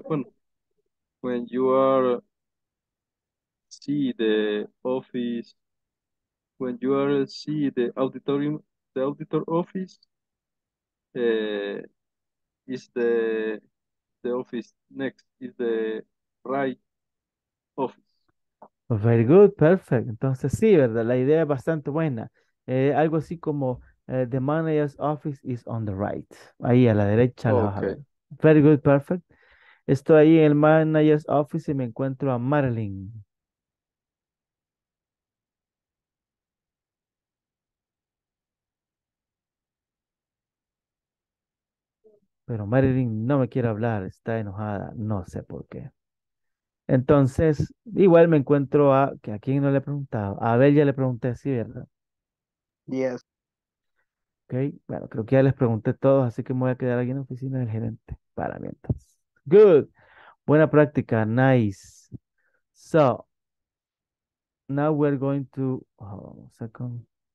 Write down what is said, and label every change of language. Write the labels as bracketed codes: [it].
[en] Bueno, when you are see the office, when you are see the auditorium, the auditor office, is the office next, is the right office. Very good, perfect. [es] Entonces sí, verdad, la idea es bastante buena. Algo así como [en] the manager's office is on the right. [es] Ahí a la derecha. [en] Okay. Very good, perfect. [es] Estoy ahí en el manager's office y me encuentro a Marilyn. Pero Marilyn no me quiere hablar, está enojada, no sé por qué. Entonces, igual me encuentro a, que a quién no le he preguntado, a Abel ya le pregunté, sí, ¿verdad? [en] Yes. [es] Ok, bueno, creo que ya les pregunté todos, así que me voy a quedar aquí en la oficina del gerente para mientras. [en] Good. [es] Buena práctica. [en] Nice. So, now we're going to, hold on a second.